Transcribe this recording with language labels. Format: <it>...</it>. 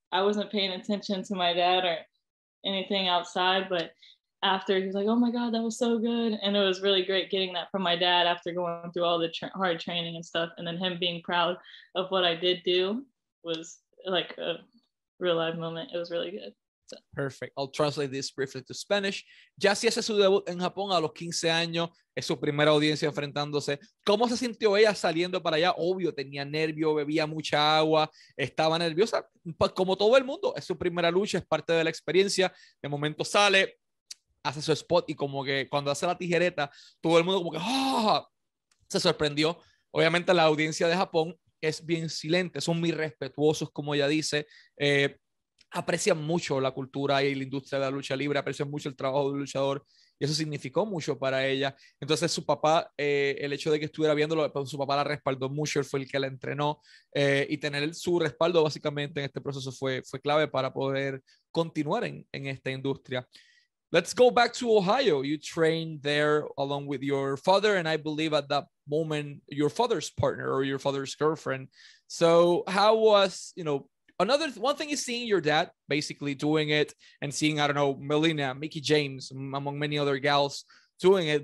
<en>I wasn't paying attention to my dad or anything outside. But after, he was like, oh my God, that was so good. And it was really great getting that from my dad after going through all the hard training and stuff. And then him being proud of what I did do was like a real live moment. It was really good. So. Perfect. I'll translate this briefly to Spanish.</en> <es>Jazzy hace su debut en Japón a los 15 años. Es su primera audiencia enfrentándose. ¿Cómo se sintió ella saliendo para allá? Obvio, tenía nervio, bebía mucha agua, estaba nerviosa. Como todo el mundo, es su primera lucha, es parte de la experiencia. De momento sale, hace su spot y como que cuando hace la tijereta, todo el mundo como que ¡oh!, se sorprendió. Obviamente la audiencia de Japón es bien silente, son muy respetuosos, como ella dice. Aprecian mucho la cultura y la industria de la lucha libre, aprecian mucho el trabajo del luchador, y eso significó mucho para ella. Entonces su papá, el hecho de que estuviera viéndolo, su papá la respaldó mucho, él fue el que la entrenó, y tener su respaldo básicamente en este proceso fue clave para poder continuar en esta industria.</es> <en>Let's go back to Ohio. You trained there along with your father, and I believe at that moment your father's partner or your father's girlfriend. So how was, you know, one thing is seeing your dad basically doing it and seeing, I don't know, Melina, Mickey James, among many other gals doing it.</en>